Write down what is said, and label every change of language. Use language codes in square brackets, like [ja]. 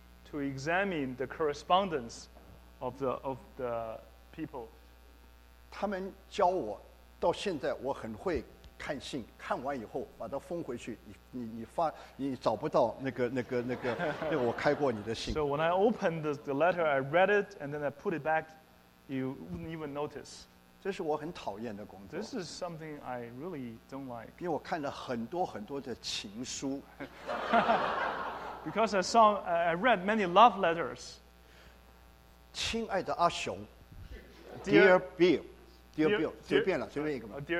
[en] To examine the correspondence of the people. [zh] 他们教我到现在我很会看信, 看完以后把它封回去, 你找不到那个我开过你的信。 [en] So when I opened the letter, I read it, and then I put it back, you wouldn't even notice. [zh] 这是我很讨厌的工作。 [en] This is something I really don't like. [zh] 因为我看了很多很多的情书。 [en] Because I read many love letters. [zh] 亲爱的阿雄, [en] Dear Bill, [zh] 随便了, 随便一个嘛。